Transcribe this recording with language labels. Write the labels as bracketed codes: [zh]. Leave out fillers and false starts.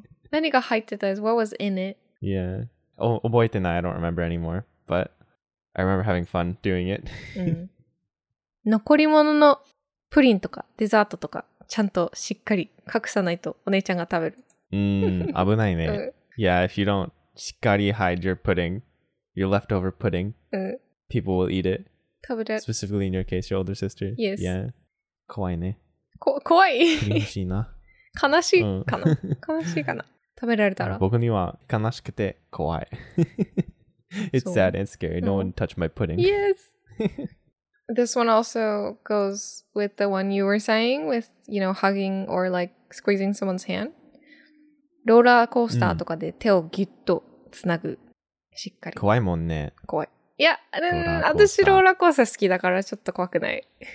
[ja] 何が入ってた [en] is what was in it. Yeah. [ja] 覚えてない。 [en] I don't remember anymore. But... I remember having fun doing it. [ja] 残り物のプリンとかデザートとかちゃんとしっかり隠さないとお姉ちゃんが食べる。危ないね。 [en] Yeah, if you don't しっかり hide your pudding, your leftover pudding, people will eat it. [ja] 食べる。 [en] Specifically in your case, your older sister. Yes. [ja] Yeah. 怖いね。怖い。悲しいな。悲しいかな。悲しいかな。食べられたら。僕には悲しくて怖い。 [en] It's sad and scary. No one touched my pudding. Yes! This one also goes with the one you were saying, with, you know, hugging or squeezing someone's hand. [ja] ローラーコースターとかで手をギュッとつなぐ。しっかり。怖いもんね。怖い。いや、私ローラーコースター好きだからちょっと怖くない。